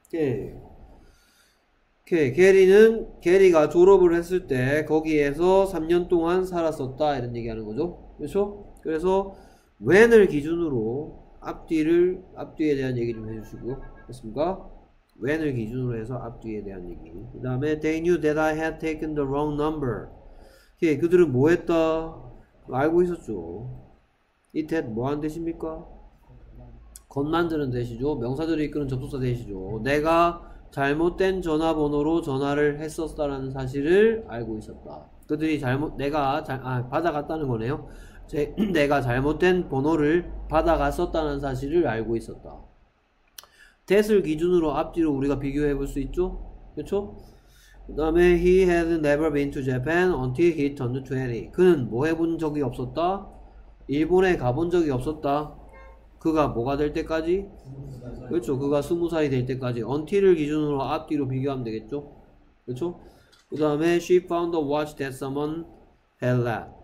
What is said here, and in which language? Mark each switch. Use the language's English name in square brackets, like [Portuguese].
[Korean] 예. 오케이. 게리는 게리가 졸업을 했을 때 거기에서 3년 동안 살았었다 이런 얘기하는 거죠. 그렇죠? 그래서 when을 기준으로 앞뒤를 앞뒤에 대한 얘기 좀 해주시고요. 됐습니까? when을 기준으로 해서 앞뒤에 대한 얘기. 그 다음에 [English] they knew that I had taken the wrong number. [Korean] 예, 그들은 뭐 했다? 알고 있었죠. it had 뭐 한 대십니까? 건만드는 대시죠. 명사들이 이끄는 접속사 대시죠. 내가 잘못된 전화번호로 전화를 했었다라는 사실을 알고 있었다. 그들이 잘못 내가 잘, 아, 받아갔다는 거네요. 내가 잘못된 번호를 받아갔었다는 사실을 알고 있었다. that을 기준으로 앞뒤로 우리가 비교해 볼 수 있죠? 그쵸? 그 다음에 [English] he had never been to Japan until he turned 20. [Korean] 그는 뭐 해본 적이 없었다? 일본에 가본 적이 없었다. 그가 뭐가 될 때까지? 그쵸? 그가 20살이 될 때까지 until을 기준으로 앞뒤로 비교하면 되겠죠? 그쵸? 그 다음에 [English] she found a watch that someone had left.